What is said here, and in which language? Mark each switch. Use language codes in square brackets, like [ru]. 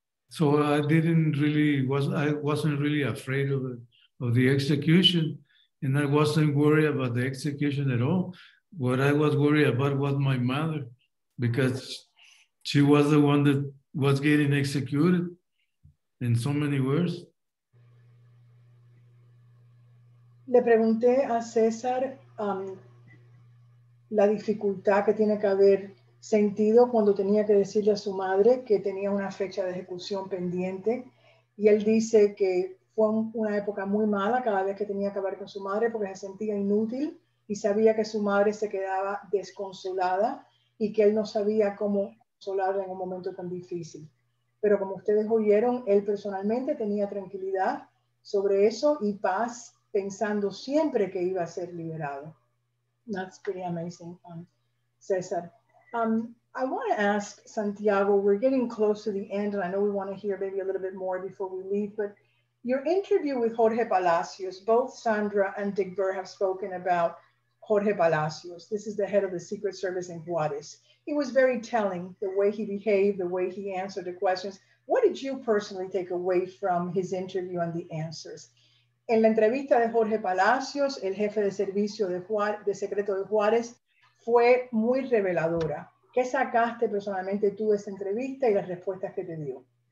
[en] So I wasn't really afraid of the execution, and I wasn't worried about the execution at all. What I was worried about was my mother, because she was the one that was getting executed in so many words. [es] Le pregunté a César la dificultad que tiene que haber sentido cuando tenía que decirle a su madre que tenía una fecha de ejecución pendiente, y él dice que fue una época muy mala cada vez que tenía que hablar con su madre, porque se sentía inútil y sabía que su madre se quedaba desconsolada y que él no sabía cómo consolarla en un momento tan difícil. Pero como ustedes oyeron, él personalmente tenía tranquilidad sobre eso y paz, pensando siempre que iba a ser liberado. [en] That's pretty amazing, César. I want to ask Santiago, we're getting close to the end, and I know we want to hear maybe a little bit more before we leave, but your interview with Jorge Palacios, both Sandra and Dick Burr have spoken about Jorge Palacios. This is the head of the Secret Service in Juarez. He was very telling, the way he behaved, the way he answered the questions. What did you personally take away from his interview and the answers? [es] En la entrevista de Jorge Palacios, el jefe de servicio de secreto de Juarez, fue muy reveladora. ¿Qué sacaste personalmente tú de esa entrevista y las respuestas que te dio?